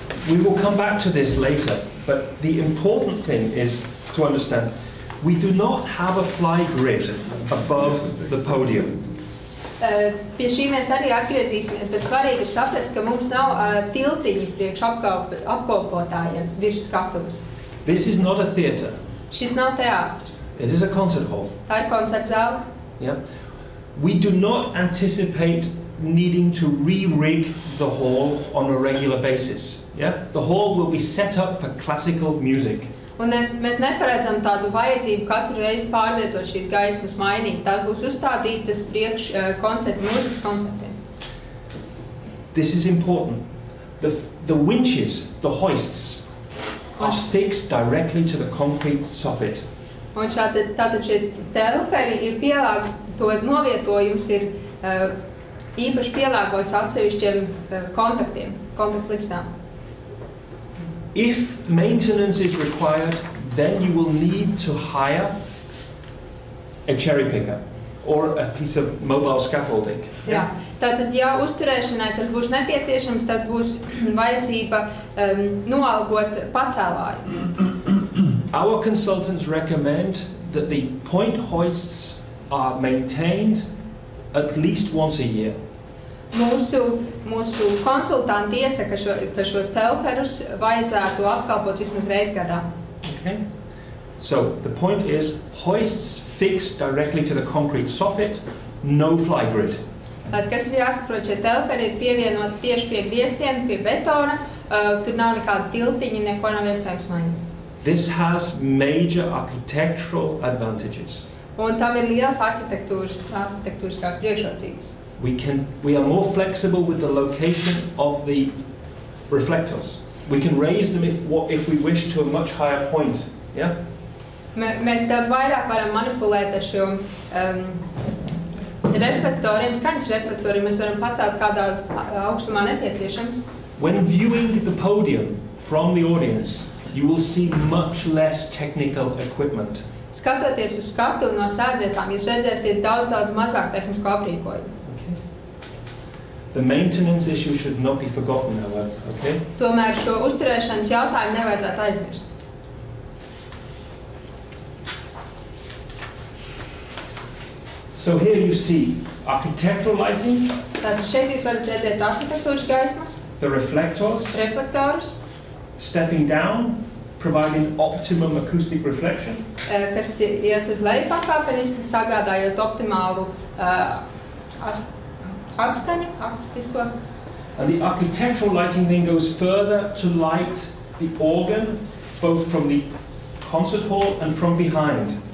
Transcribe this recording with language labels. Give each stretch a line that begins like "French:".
English: We will come back to this later, but the important thing is to understand, we do not have a fly grid above the podium.
Latvian: Pie šī mēs arī atgriezīsimies, bet svarīgi ir saprast, ka mums nav tiltiņi priekš apkopotājiem virs skatuves.
English: This is not a theater.
Latvian: Šis nav teātris.
English: It is a concert hall.
Latvian: Tā ir koncertzāle.
English: Yeah. We do not anticipate needing to re-rig the hall on a regular basis. Yeah. The hall will be set up for classical music.
Latvian: Un mēs neparedzam tādu vajadzību katru reizi pārvietot šīs gaismas mainīt. Tās būs uzstādītas priekš koncertu mūzikas konceptiem.
English: This is important. The winches, the hoists, are fixed directly to the concrete soffit.
Latvian: Un tātad šie telferi ir pielāgoti, novietojums ir īpaši pielāgots atsevišķiem kontaktiem, kontaktliksnām.
English: If maintenance is required, then you will need to hire a cherry picker or a piece of mobile scaffolding.
Latvian: Jā, tātad ja uzturēšanai tas būs nepieciešams, tad būs vajadzība noalgot pacēlāju.
English: Our consultants recommend that the point hoists are maintained at least once a year.
Latvian: Mūsu konsultanti iesaka, ka šos telferus vajadzētu apkalpot vismaz reizi gadā.
English: Okay. So, the point is, hoists fixed directly to the concrete soffit, no fly grid.
Latvian: Kas ir jāsaprot, šie telferi ir pievienoti tieši pie griestiem, pie betona, tur nav nekāda tiltiņa, neko nav iespējams mainīt.
English: This has major architectural advantages.
Latvian: Un tam ir liels arhitektūriskās priekšrocības.
English: We are more flexible with the location of the reflectors. We can raise them if we wish to a much higher point. Yeah?
Latvian: Mēs daudz vairāk varam manipulēt ar šiem reflektoriem, skaņas reflektoriem. Mēs varam pacelt kādā augstumā nepieciešams.
English: When viewing the podium from the audience, you will see much less technical equipment.
Latvian: Skatoties uz skatuvi no sēdvietām, jūs redzēsiet daudz mazāk tehnisko aprīkojumu.
English: The maintenance issue should not be forgotten, however, okay?
Latvian: Tomēr šo uzturēšanas jautājumu nevajadzētu aizmirst.
English: So here you see architectural lighting.
Latvian: Tātad šeit jūs varat redzēt arhitektūras gaismas.
English: The reflectors.
Latvian: Reflektors.
English: Stepping down, providing optimum acoustic reflection.
Latvian: Kas iet uz leju pakāpeniski, sagādājot optimālu atskaņu, akustisko.
English: And the architectural lighting then goes further to light the organ, both from the concert hall and from behind.